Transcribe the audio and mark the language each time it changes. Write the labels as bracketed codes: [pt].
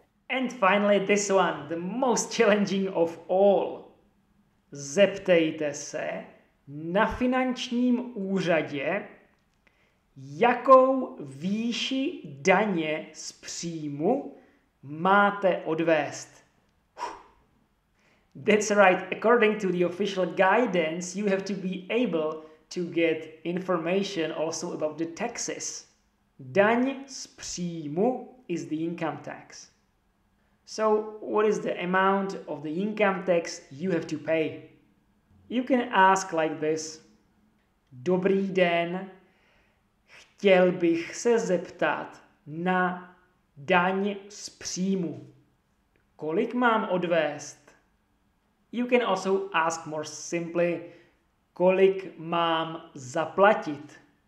[en] And finally this one, the most challenging of all. [cs] Zeptejte se na finančním úřadě, jakou výši daně z příjmu máte odvést. [en] That's right. According to the official guidance, you have to be able to get information also about the taxes. [cs] Daň z příjmu [en] is the income tax. So, what is the amount of the income tax you have to pay? You can ask like this. [cs] Dobrý den, chtěl bych se zeptat na daň z příjmu. Kolik mám odvést? [en] You can also ask more simply, [cs] kolik mám zaplatit.